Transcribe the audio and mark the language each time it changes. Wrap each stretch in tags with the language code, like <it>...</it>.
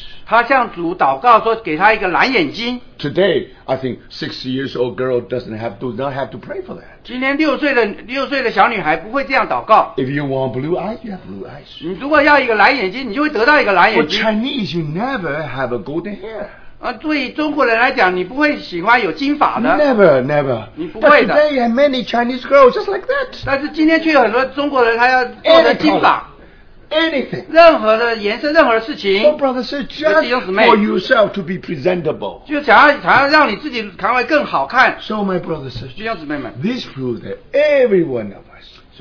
<zh>她向主祷告说给她一个蓝眼睛。</zh> <en>Today, I think 6 years old girl does not have to pray for that.</en> <zh>今天六岁的小女孩不会这样祷告。</zh> <en>If you want blue eyes, you have blue eyes.</en> <zh>你如果要一个蓝眼睛，你就会得到一个蓝眼睛。</zh> <en>For Chinese, you never have a golden hair.</en> <zh>对中国人来讲，你不会喜欢有金发的。</zh> <en>Never, never.</en> <zh>你不会的。</zh> <en>But today, have many Chinese girls just like that.</en> <zh>但是今天却有很多中国人，他要做的金发。</zh> <en>Anything,</en> <zh>任何的颜色，任何的事情。</zh> <en>So brother said, just for yourself to be presentable.</en> <zh>就想要让你自己看会更好看。</zh> <en>So my brothers,</en> <zh>弟兄姊妹们</zh> <en>this proves that every one of us.</en>